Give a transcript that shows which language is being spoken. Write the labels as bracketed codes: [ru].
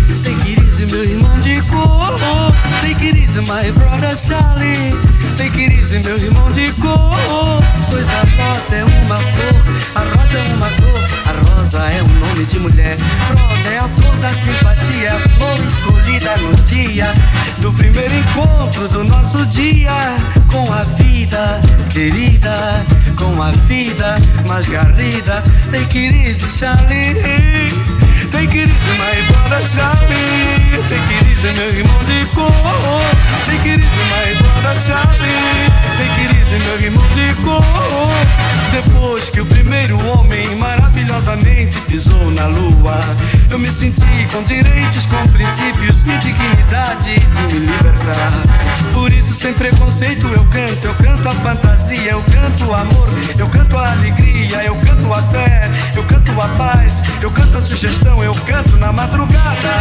[en] Take it easy, [pt] meu irmão de cor. [en] Take it easy, my brother Charlie. Take it easy, [pt] meu irmão de cor. Pois a rosa é uma flor, a rosa é uma cor, a rosa é um nome de mulher. Rosa é a flor da simpatia, flor escolhida no dia do primeiro encontro do nosso dia. Com a vida, querida, com a vida mais garrida. [en] Take it easy, Charlie. Take it easy, my brother Charlie. Take it easy, [pt] meu irmão de cor. [en] Take it easy, my brother Charlie. Take it easy, [pt] meu irmão de cor. Depois que o primeiro homem maravilhosamente pisou na lua, eu me senti com direitos, com princípios e dignidade de me libertar. Por isso, sem preconceito, eu canto a fantasia, eu canto o amor, eu canto a alegria, eu canto a fé, eu canto a paz, eu canto a sugestão, eu canto na madrugada.